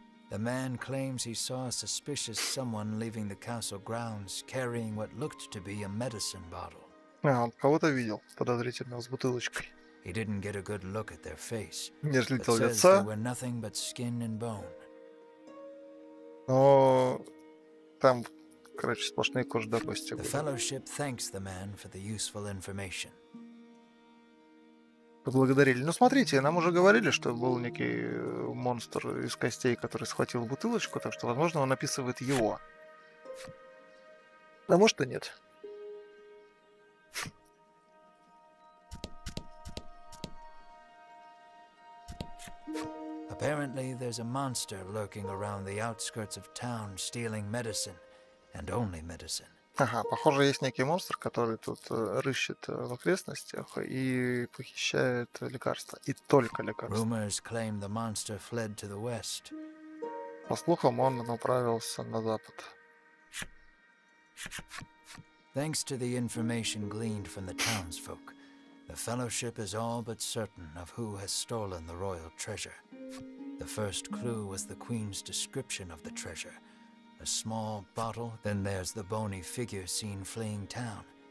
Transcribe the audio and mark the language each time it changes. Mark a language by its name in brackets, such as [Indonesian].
[English] The man claims he saw a suspicious someone leaving the castle grounds carrying what looked to be a medicine bottle. [Russian] А, он кого-то видел, подозрительно, с бутылочкой. [English] He didn't get a good look at their face. [Russian] Не разглядел лица. [English] But says they were nothing but skin and bone. [Russian] Но там, короче, сплошные кожи, допустим. [English] The fellowship thanks the man for the useful information. [Russian] Поблагодарили. Ну, смотрите, нам уже говорили, что был некий монстр из костей, который схватил бутылочку, так что, возможно, он описывает его. А может, и нет. [English] Apparently, there's a monster lurking around the outskirts of town stealing medicine. And only medicine. [Russian] Ага, похоже, есть некий монстр, который тут рыщет в окрестностях и похищает лекарства. И только лекарства. [English] Rumors claim the monster fled to the west. [Russian] По слухам, он направился на запад. [English] Thanks to the information gleaned from the townsfolk, the fellowship is all but certain of who has stolen the royal treasure. The first clue was the queen's description of the treasure. A small bottle, then there's the bony figure seen fleeing town.